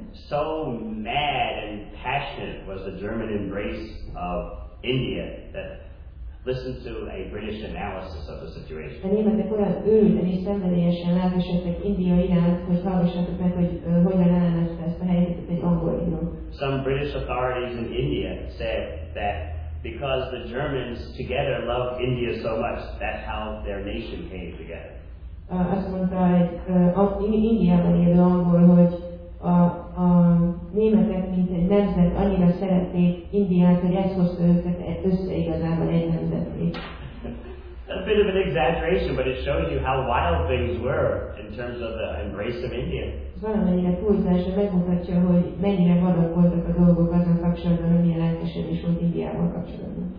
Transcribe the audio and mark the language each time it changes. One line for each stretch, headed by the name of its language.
English: So mad and passionate was the German embrace of India that listened to a British analysis of the situation.
Hungarian: A németek olyan őrülten és szenvedélyesen lelkesedtek India iránt, hogy hallgassátok meg, hogy hogyan ellenezte ezt a helyzetet egy angol író.
English: Some British authorities in India said that because the Germans together loved India so much, that's how their nation came together.
Hungarian: Azt mondta Indiában élő angol, hogy a németek, mint egy nemzet, annyira szerették Indiát, hogy ez hozta őket össze igazából egy nemzetté.
English: A bit of an exaggeration, but it shows you how wild things were in terms of the embrace of India.
Hungarian: Ez valamennyire túlzás, hogy megmutatja, hogy mennyire vadok voltak a dolgok azon kapcsolatban, hogy milyen lelkesedés volt Indiával kapcsolatban.